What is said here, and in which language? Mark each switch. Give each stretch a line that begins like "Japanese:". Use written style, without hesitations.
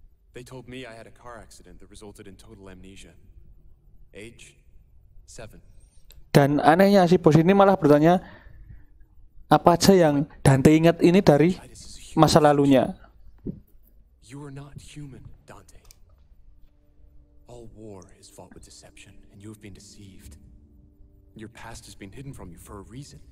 English: They told me I had a car accident that resulted in total amnesia. Age 7.
Indonesian: Dan anehnya si bos ini malah bertanya apa aja yang Dante ingat ini dari masa lalunya.
English: You are not human, Dante. All war is fought with deception and you have been deceived. Your past has been hidden from you for a reason.